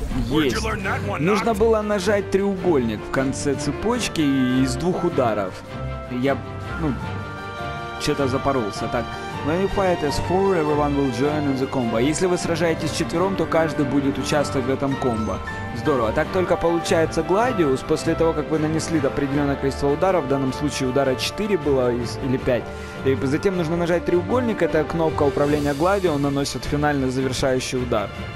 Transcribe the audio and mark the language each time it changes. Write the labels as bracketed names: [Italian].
[Russian] Есть. Нужно было нажать треугольник в конце цепочки и из двух ударов. Я, ну, что-то запоролся. Так, [English] when you fight as four, everyone will join in the combo. [Russian] Если вы сражаетесь четвером, то каждый будет участвовать в этом комбо. Здорово. Так только получается Гладиус, после того, как вы нанесли определенное количество ударов, в данном случае удара 4 было или 5. И затем нужно нажать треугольник, это кнопка управления Гладио, он наносит финальный завершающий удар.